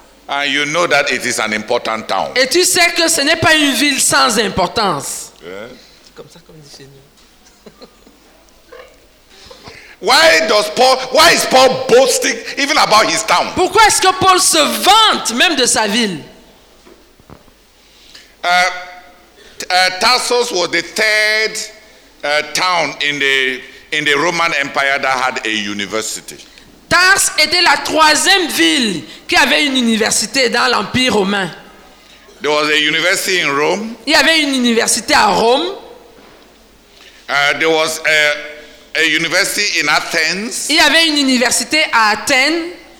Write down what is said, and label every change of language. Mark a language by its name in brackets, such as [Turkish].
[English] And you know that it is an important town. [French] Et tu sais que ce n'est pas une ville sans importance. Yeah. Comme ça, comme dit Seigneur. [English] Why does Paul? Why is Paul boasting even about his town? [French] Pourquoi est-ce que Paul se vante même de sa ville? [English] Tarsus was the third town in the Roman Empire that had a university. [French] Tars était la troisième ville qui avait une université dans l'Empire romain. [English] There was a university in Rome. [French] Il y avait une université à Rome. [English] There was a university in Athens. [French] Il y avait une université à Athènes.